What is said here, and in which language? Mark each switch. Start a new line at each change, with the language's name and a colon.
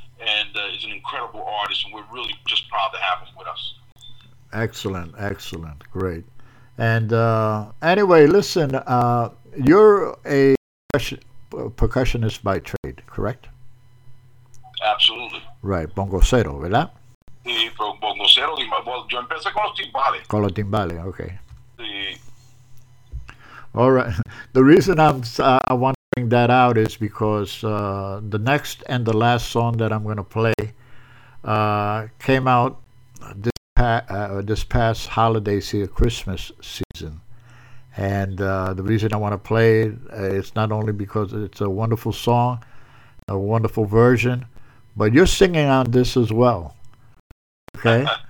English: And is an incredible artist, and we're really just proud to have him with us. Excellent, excellent, great. And anyway, listen, you're a percussionist by trade, correct? Absolutely.
Spanish: Right, bongocero, ¿verdad? Sí, bongocero, well, yo empecé con los timbales. Con los timbales, okay. Sí.
English: All right, the reason I want that out is because the next and the last song that I'm going to play came out this past holiday season, Christmas season, and the reason I want to play it is not only because it's a wonderful song, a wonderful version, but you're singing on this as well, okay?